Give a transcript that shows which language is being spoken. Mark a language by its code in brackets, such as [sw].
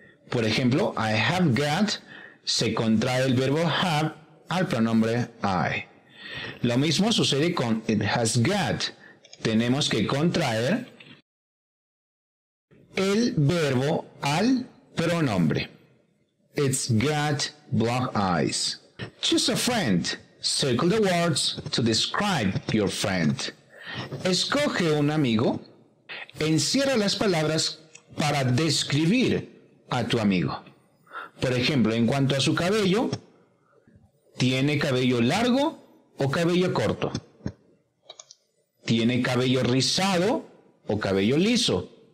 [es] Por ejemplo, [en] I have got, [es] se contrae el verbo have al pronombre I. Lo mismo sucede con [en] it has got. [es] Tenemos que contraer el verbo al pronombre. [en] It's got black eyes. Choose a friend. Circle the words to describe your friend. [es] Escoge un amigo. Encierra las palabras para describir a tu amigo. Por ejemplo, en cuanto a su cabello, ¿tiene cabello largo o cabello corto? ¿Tiene cabello rizado o cabello liso?